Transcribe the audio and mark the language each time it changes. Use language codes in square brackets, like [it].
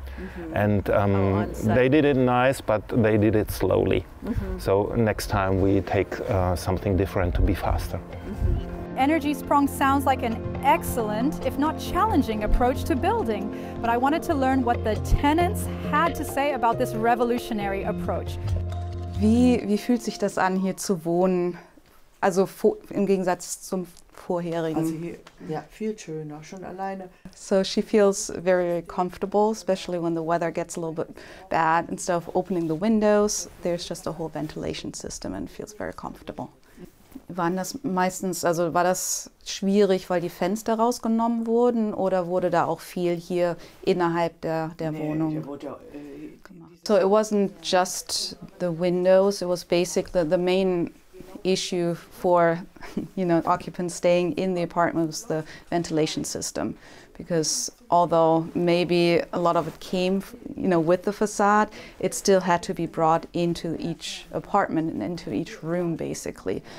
[en] Mm-hmm. And they did it nice, but they did it slowly. Mm-hmm. So next time we take something different to be faster. Mm-hmm. Energiesprong sounds like an excellent, if not challenging, approach to building. But I wanted to learn what the tenants had to say about this revolutionary approach. [de] Wie fühlt sich das an, hier zu wohnen? Also im Gegensatz zum vorherigen. Also hier, ja, viel schöner, schon alleine. [en] So she feels very, very comfortable, especially when the weather gets a little bit bad. Instead of opening the windows, there's just a whole ventilation system and feels very comfortable. [de] Waren das meistens, also war das schwierig, weil die Fenster rausgenommen wurden, oder wurde da auch viel hier innerhalb der Wohnung? [en] So it wasn't just the windows, it was basically the main issue for, you know, occupants staying in the apartment was the ventilation system. Because although maybe a lot of it came, you know, with the facade, it still had to be brought into each apartment and into each room, basically.